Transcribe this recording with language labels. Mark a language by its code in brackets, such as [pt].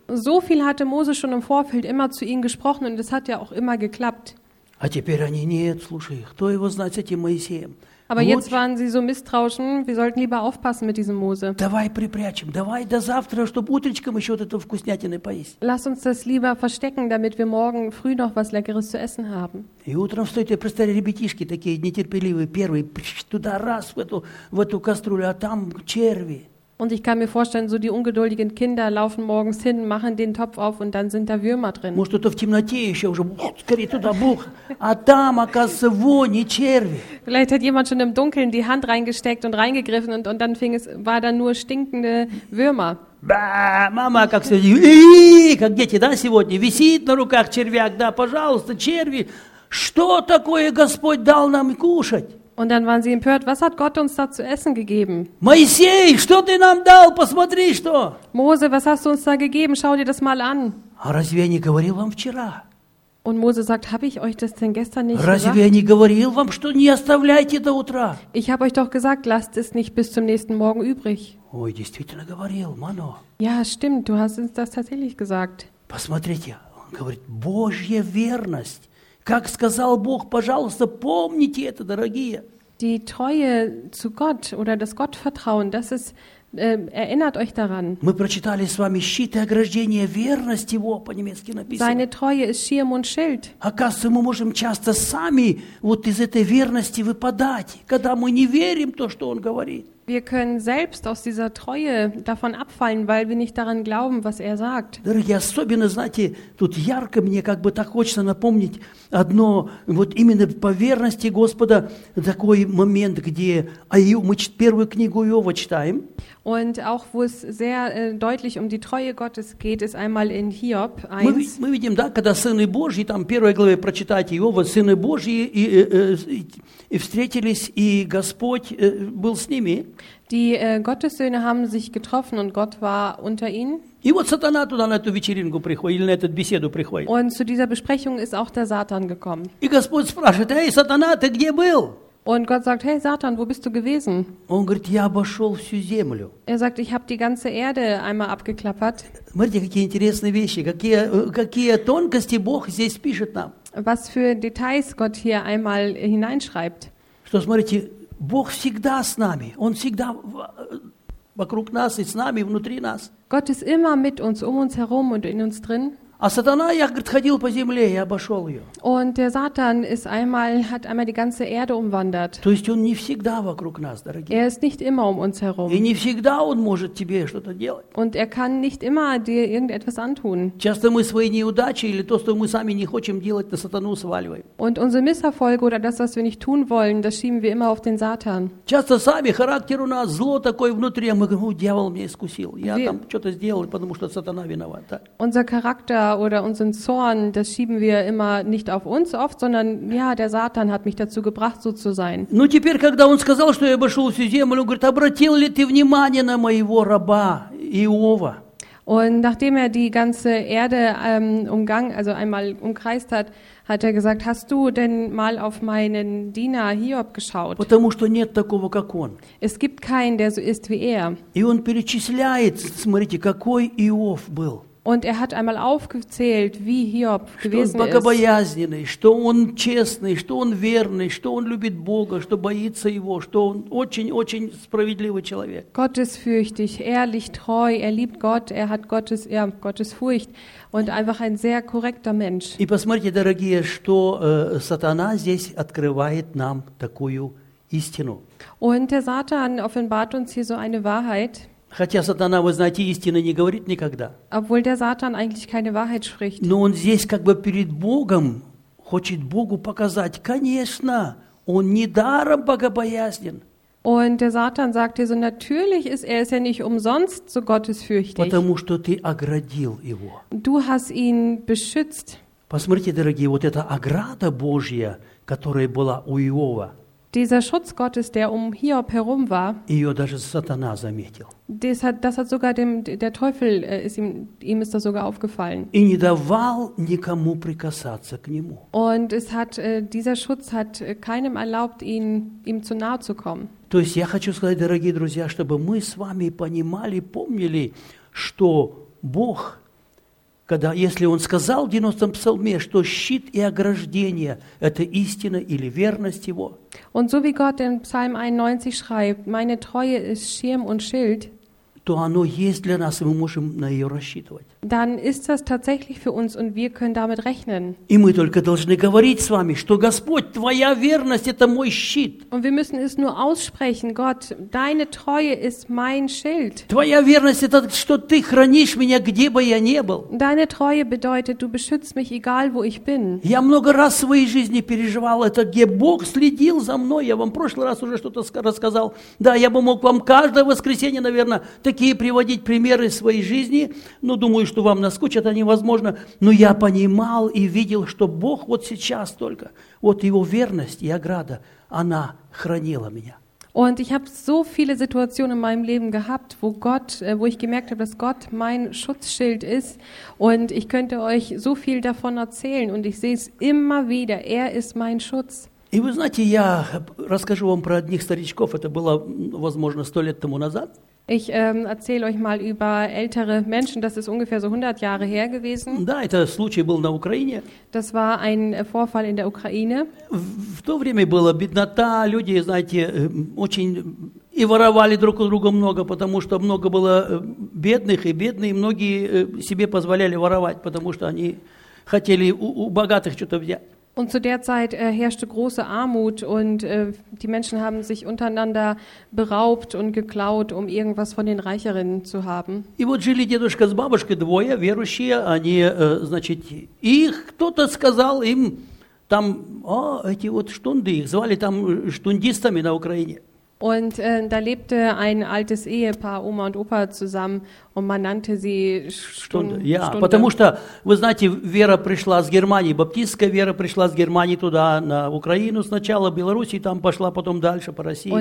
[de] So viel hatte Mose schon im Vorfeld immer zu ihnen gesprochen, und es hat ja auch immer geklappt. [ru] А теперь они, нет, слушай, кто его знает с этим Моисеем? [de] Aber jetzt waren sie so misstrauisch, wir sollten lieber aufpassen mit diesem Mose. [ru] Давай припрячем, давай до завтра, чтобы утречком еще вот эту вкуснятину поесть. [de] Lass uns das lieber verstecken, damit wir morgen früh noch was Leckeres zu essen haben. [ru] И утром встают, я представляю, ребятишки такие нетерпеливые, первые, пш, туда раз, в эту кастрюлю, а там черви. [de] Und ich kann mir vorstellen, so die ungeduldigen Kinder laufen morgens hin, machen den Topf auf und dann sind da Würmer drin. [ru] Может, это в темноте еще уже, скорее туда, бух, а там, оказывается, вони, черви. [de] Vielleicht hat jemand schon im Dunkeln die Hand reingesteckt und reingegriffen und dann fing es, war da nur stinkende Würmer. [ru] Мама, как все, как дети, да, сегодня, висит на руках червяк, да, пожалуйста, черви, что такое Господь дал нам кушать? [de] Und dann waren sie empört, was hat Gott uns da zu essen gegeben? [ru] Моисей, что ты нам дал? Посмотри, что. [de] Mose, was hast du uns da gegeben? Schau dir das mal an. [ru] А разве я не говорил вам вчера? [de] Und Mose sagt, habe ich euch das denn gestern nicht [ru] разве [de] gesagt? [ru] Разве я не говорил вам, что не оставляйте до утра? [de] Ich habe euch doch gesagt, lasst es nicht bis zum nächsten Morgen übrig. [ru] Ой, действительно говорил, Мано. [de] Ja, stimmt, du hast uns das tatsächlich gesagt. [ru] Посмотрите, он говорит, Божья верность. Как сказал Бог, пожалуйста, помните это, дорогие. [de] Die Treue zu Gott oder das Gottvertrauen, das ist, erinnert euch daran. [ru] Мы прочитали с вами «Щит и ограждение, верность Его» по-немецки написано. [de] Seine Treue ist Schirm und Schild. [ru] Оказывается, мы можем часто сами вот из этой верности выпадать, когда мы не верим то, что Он говорит. [de] Wir können selbst aus dieser Treue davon abfallen, weil wir nicht daran glauben, was er sagt. [ru] Дорогие, особенно, знаете, тут ярко мне как бы так хочется напомнить одно, вот именно по верности Господа, такой момент, где мы первую книгу Иова читаем. [de] Und auch wo es sehr deutlich um die Treue Gottes geht, ist einmal in Hiob 1. [ru] Мы видим, да, когда сыны Божьи, там в первой главе прочитайте, Иова, сыны Божьи и встретились, и Господь был с ними. [de] Die Gottessöhne haben sich getroffen und Gott war unter ihnen. [ru] И вот сатана туда на эту вечеринку приходит, или на эту беседу приходит. [de] Und zu dieser Besprechung ist auch der Satan gekommen. [ru] И Господь спрашивает: «Эй, сатана, ты где был?» [de] Und Gott sagt: «Hey Satan, wo bist du gewesen?» [ru] Он говорит: «Я обошел всю землю». [de] Er sagt: «Ich habe die ganze Erde einmal abgeklappert». [ru] Смотрите, какие интересные вещи, какие тонкости Бог здесь пишет нам. [de] Was für Details Gott hier einmal hineinschreibt. [ru] Что, смотрите, Бог всегда с нами, Он всегда вокруг нас и с нами, внутри нас. [de] Gott ist immer mit uns, um uns herum und in uns drin. [ru] А сатана, я, говорит, ходил по земле и обошел ее. [de] Und der Satan ist einmal, hat einmal die ganze Erde umwandert. [ru] То есть он не всегда вокруг нас, дорогие. [de] Er ist nicht immer um uns herum. [ru] И не всегда он может тебе что-то делать. [de] Und er kann nicht immer dir irgendetwas antun. [ru] Часто мы свои неудачи или то, что мы сами не хотим делать, на сатану сваливаем. [de] Und unsere Misserfolge oder das, was wir nicht tun wollen, das schieben wir immer auf den Satan. [ru] Часто сами характер у нас зло такое внутри, а мы говорим: «О, дьявол меня искусил, я там что-то сделал, потому что сатана виноват». [de] Unser Charakter oder unseren Zorn, das schieben wir immer nicht auf uns oft, sondern ja, der Satan hat mich dazu gebracht, so zu sein. [ru] Ну теперь, когда он сказал, что я обошел всю землю, он говорит: «Обратил ли ты внимание на моего раба Иова?» [de] Und nachdem er die ganze Erde also einmal umkreist hat, hat er gesagt: «Hast du denn mal auf meinen Diener Hiob geschaut?» [ru] Потому что нет такого, как он. [de] Es gibt keinen, der so ist wie er. [ru] И он перечисляет, смотрите, какой Иов был. [de] Und er hat einmal aufgezählt, wie Hiob gewesen ist. [ru] Что он богобоязненный, что он честный, что он верный, что он любит Бога, что боится Его, что он очень-очень справедливый человек. [de] Gottesfürchtig, ehrlich, treu, er liebt Gott, er hat Gottesfurcht und einfach ein sehr korrekter Mensch. [ru] И посмотрите, дорогие, что сатана здесь открывает нам такую истину. [de] Und der Satan offenbart uns hier so eine Wahrheit. [ru] Хотя сатана, вы знаете, истины не говорит никогда. [de] Obwohl der Satan eigentlich keine Wahrheit spricht. [ru] Но он здесь как бы перед Богом хочет Богу показать: конечно, он не даром богобоязнен. [de] Und der Satan sagt dir so: Natürlich ist er es ja nicht umsonst so gottesfürchtig. [ru] Потому что ты оградил его. [de] Du hast ihn beschützt. [ru] Посмотрите, дорогие, вот эта ограда Божья, которая была у Иова. [de] Dieser Schutz Gottes, der um Hiob herum war, der Teufel ihm ist das sogar aufgefallen. Und dieser Schutz hat keinem erlaubt, ihm zu nahe zu kommen. [ru] То есть я хочу сказать, дорогие друзья, чтобы мы с вами понимали, помнили, что Бог, когда, если Он сказал в 90-м псалме, что щит и ограждение – это истина или верность Его. [de] Und so wie Gott in Psalm 91 schreibt: «Meine Treue ist Schirm und Schild», [ru] то оно есть для нас, и мы можем на ее рассчитывать. [de] Dann ist das tatsächlich für uns und wir können damit rechnen. [ru] И мы только должны говорить с вами, что Господь, твоя верность – это мой щит. [de] Und wir müssen es nur aussprechen: «Gott, deine Treue ist mein Schild». [ru] Твоя верность – это, что ты хранишь меня, где бы я ни был. [de] Deine Treue bedeutet: «Du beschützt mich, egal wo ich bin». [ru] Я много раз в своей жизни переживал это, где Бог следил за мной. Я вам в прошлый раз уже что-то рассказал. Да, я бы мог вам каждое воскресенье, наверное, такие приводить примеры своей жизни, но думаю, что вам наскучат, это невозможно. Но я понимал и видел, что Бог вот сейчас только, вот Его верность и ограда, она хранила меня. [de] Und ich habe so viele Situationen in meinem Leben gehabt, wo ich gemerkt habe, dass Gott mein Schutzschild ist. Und ich könnte euch so viel davon erzählen. Und ich sehe es immer wieder: Er ist mein Schutz. [ru] И вы знаете, я расскажу вам про одних старичков. Это было, возможно, 100 лет тому назад. [de] Ich erzähle euch mal über ältere Menschen, das ist ungefähr so 100 Jahre her gewesen. [ru] Да, это случай был на Украине. [de] Das war ein Vorfall in der Ukraine. [ru] В то время была беднота, люди, знаете, очень и воровали друг у друга много, потому что много было бедных, и бедные многие себе позволяли воровать, потому что они хотели у богатых что-то взять. [de] Und zu der Zeit herrschte große Armut und die Menschen haben sich untereinander beraubt und geklaut, um irgendwas von den Reicheren zu haben. [ru] И вот жили дедушка с бабушкой двое верующие, они, значит, их кто-то сказал им там, а эти вот штунды, их звали там штундистами на Украине. [de] Und da lebte ein altes Ehepaar, Oma und Opa, zusammen und man nannte sie Stunde. [ru] Ja, потому что, вы знаете, вера пришла с Германии, баптистская вера пришла с Германии туда, на Украину сначала, Белоруссии там пошла, потом дальше по России.